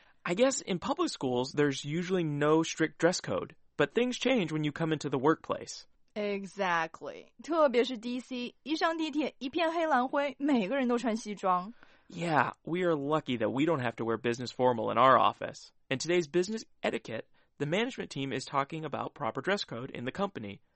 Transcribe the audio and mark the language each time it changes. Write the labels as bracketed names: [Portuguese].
[English] I guess in public schools, there's usually no strict dress code, but things change when you come into the workplace. Exactly. [Chinese] 特别是 DC, 一上地铁，一片黑蓝灰，每个人都穿西装。 [English] Yeah, we are lucky that we don't have to wear business formal in our office. In today's business etiquette, the management team is talking about proper dress code in the company.